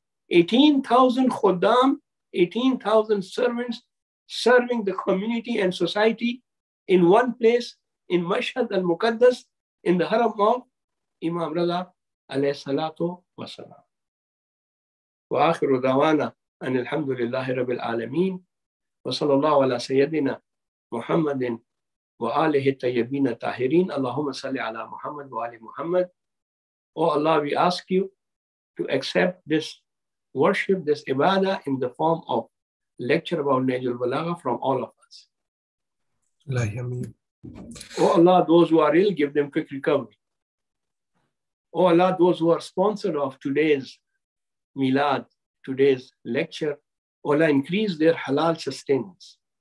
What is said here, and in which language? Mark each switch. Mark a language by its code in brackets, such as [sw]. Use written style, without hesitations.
[en] 18,000 khuddam, 18,000 servants serving the community and society in one place, in Mashhad al-Muqaddas, in the haram of Imam Radha alayhi salatu wa salam. [ar] Wa akhiru dawana. أن الحمد لله رب العالمين وصلى الله على سيدنا محمد وآله الطيبين الطاهرين اللهم صل على محمد وآل محمد. [en] Oh Allah, we ask you to accept this worship, this ibadah, in the form of lecture about Nahjul Balagha from all of us. Allah, amin. Oh Allah, those who are ill, give them quick recovery. Oh Allah, those who are sponsored of today's milad, today's lecture, O Allah, increase their halal sustenance.